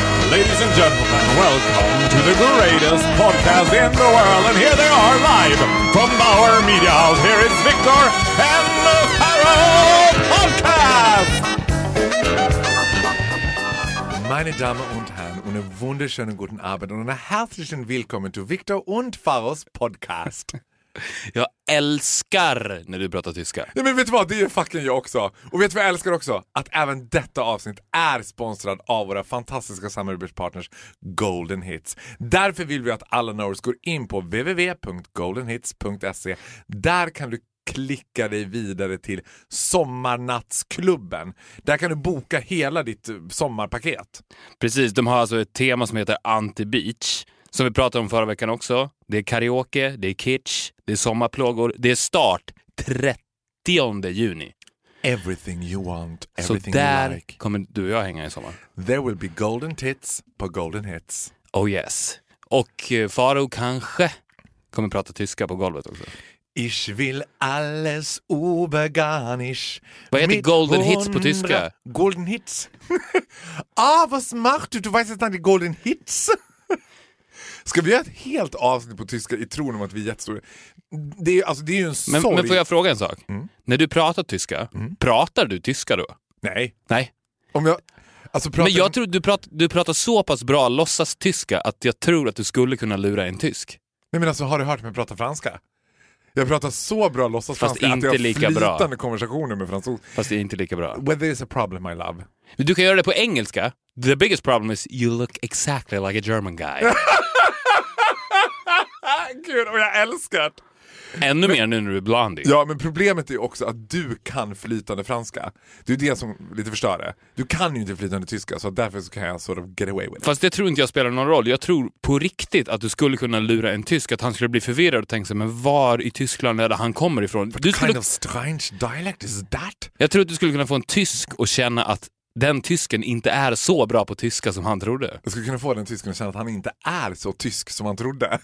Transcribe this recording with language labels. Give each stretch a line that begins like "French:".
English: Ladies and gentlemen, welcome to the greatest podcast in the world. And here they are, live from Bauer Media House. Here is Victor and the Pharaoh Podcast.
German: Meine Damen und Herren, und einen wunderschönen guten Abend und einen herzlichen Willkommen to Victor und Pharaohs Podcast.
Swedish: Jag älskar när du pratar tyska. Nej, men vet du vad, det är fucking jag också. Och vet du vad jag älskar också? Att även detta avsnitt är sponsrad av våra fantastiska samarbetspartners Golden Hits. Därför vill vi att alla knowers går in på www.goldenhits.se. Där kan du klicka dig vidare till sommarnattsklubben. Där kan du boka hela ditt sommarpaket. Precis, de har alltså ett tema som heter Anti-Beach, som vi pratade om förra veckan också. Det är karaoke, det är kitsch, det är sommarplågor. Det är start 30 juni.
English: Everything you want, everything you like.
Swedish: Så där kommer du och jag hänga i sommar.
English: There will be golden tits på Golden Hits. Oh yes.
Swedish: Och Faro kanske kommer prata tyska på golvet också.
German: Ich will alles überganisch.
Swedish: Vad heter Golden Hits på tyska? Golden Hits.
German: Ah, was macht du? Du weißt jetzt nicht Golden Hits.
Swedish: Ska vi göra ett helt avsnitt på tyska i tron om att vi är jättestora? Det är, alltså, det är ju en sorg. Men får jag fråga en sak? Mm. När du pratar tyska, mm, pratar du tyska då? Nej. Nej. Om jag, alltså, pratar... Men jag tror du pratar så pass bra låtsas tyska att jag tror att du skulle kunna lura en tysk. Nej, men alltså, har du hört mig prata franska? Jag pratar så bra låtsas fast franska inte att jag har flytande bra konversationer med fransos. Fast det är inte lika bra.
English: Well, there is a problem, my love.
Swedish: Men du kan göra det på engelska.
English: The biggest problem is you look exactly like a German guy.
Swedish: Gud, och jag älskar. Ännu mer nu när du är blondie. Ja, men problemet är också att du kan flytande franska. Det är det som lite förstör det. Du kan ju inte flytande tyska, så därför så kan jag
English: sort of get away with it.
Swedish: Fast det tror inte jag spelar någon roll. Jag tror på riktigt att du skulle kunna lura en tysk att han skulle bli förvirrad och tänka sig, men var i Tyskland är det han kommer ifrån?
English: What
Swedish: du
English: skulle... kind of strange dialect is that?
Swedish: Jag tror att du skulle kunna få en tysk och känna att den tysken inte är så bra på tyska som han trodde. Jag skulle kunna få den tysken att känna att han inte är så tysk som han trodde.